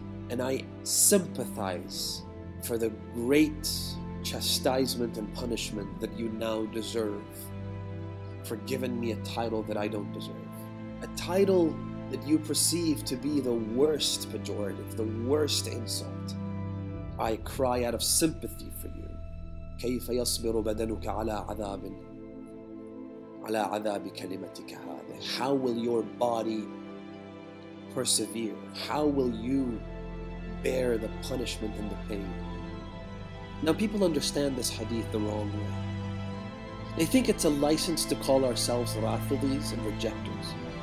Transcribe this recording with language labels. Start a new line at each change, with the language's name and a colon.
English: And I sympathize for the great chastisement and punishment that you now deserve for giving me a title that I don't deserve. A title that you perceive to be the worst pejorative, the worst insult. I cry out of sympathy for you.
Arabic: كيف يصبر بدنك على عذاب على عذاب كلمتك هذه.
English: How will your body persevere? How will you bear the punishment and the pain? Now people understand this hadith the wrong way. They think it's a license to call ourselves Rafidhis and rejectors.